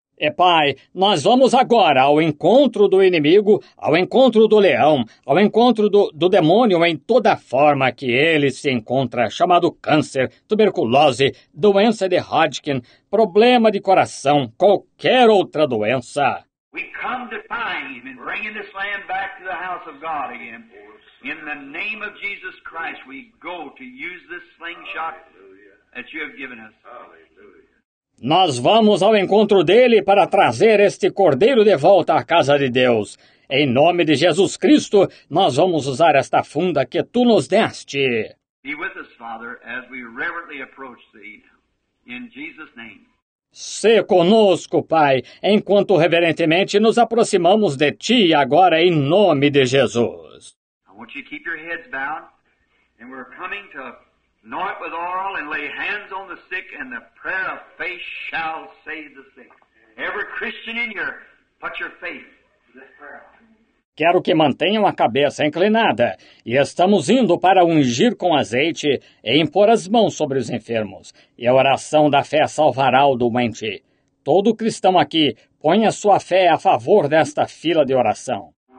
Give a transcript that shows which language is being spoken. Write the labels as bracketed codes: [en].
[pt] E Pai, nós vamos agora ao encontro do inimigo, ao encontro do leão, ao encontro do demônio em toda forma que ele se encontra, chamado câncer, tuberculose, doença de Hodgkin, problema de coração, qualquer outra doença. [en] We come to find him and bring this land back to the house of God again. In the name of Jesus Christ, we go to use this slingshot that you have given us. [pt] Nós vamos ao encontro dele para trazer este cordeiro de volta à casa de Deus. Em nome de Jesus Cristo, nós vamos usar esta funda que tu nos deste. [en] Be with us, Father, as we reverently approach thee in Jesus' name. [pt] Sê conosco, Pai, enquanto reverentemente nos aproximamos de Ti agora em nome de Jesus. [en] I want you to keep your heads bowed, and we're coming to anoint with oil and lay hands on the sick, and the prayer of faith shall save the sick. Every Christian in here, put your faith in this prayer. [pt] Quero que mantenham a cabeça inclinada, e estamos indo para ungir com azeite e impor as mãos sobre os enfermos. E a oração da fé salvará o doente. Todo cristão aqui, ponha sua fé a favor desta fila de oração.